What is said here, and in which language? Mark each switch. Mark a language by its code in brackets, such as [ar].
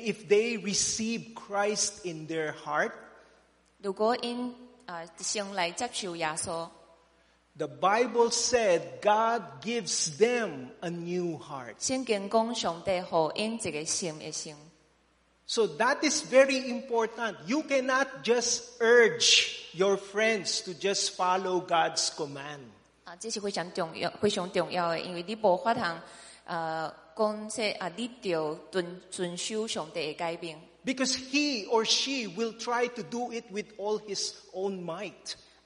[en] if they receive Christ in their heart, the Bible said God gives them a new heart. So that is very important. You cannot just urge your friends to just follow God's command. [nan] 这是非常重要的，因为你无法通讲说啊，你得遵守上帝的诫命。 [en] Because he or she will try to do it with all his own might.